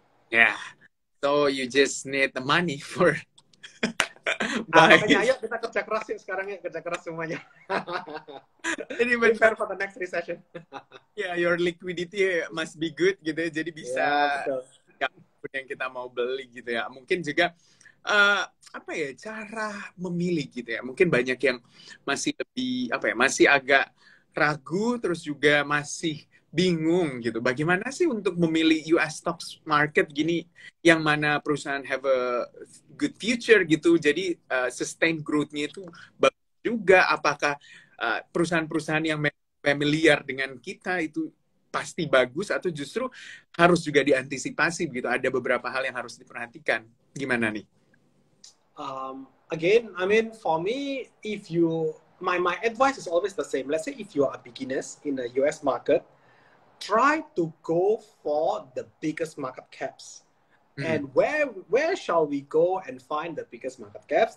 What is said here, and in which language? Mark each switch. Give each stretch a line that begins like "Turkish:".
English: Yeah, so you just need the money for buying.
Indonesian: Ayo kita kerja keras ya sekarang ya, kerja keras semuanya.
English: Ini prepare for the next recession.
Indonesian: Yeah,
English: your liquidity must be good
Indonesian: gitu ya, jadi bisa yang kita mau beli gitu ya. Mungkin juga apa ya, cara memilih gitu ya, mungkin banyak yang masih lebih apa ya, masih agak ragu terus juga masih bingung gitu, bagaimana sih untuk memilih US stocks market gini, yang mana perusahaan
English: have a good future
Indonesian: gitu, jadi sustain growth-nya itu bagus juga, apakah perusahaan-perusahaan yang familiar dengan kita itu pasti bagus atau justru harus juga diantisipasi gitu, ada beberapa hal yang harus diperhatikan, gimana nih?
English: Again, I mean, for me, if you, my advice is always the same. Let's say if you are a beginner in the US market, try to go for the biggest market caps. Mm-hmm. And where shall we go and find the biggest market caps?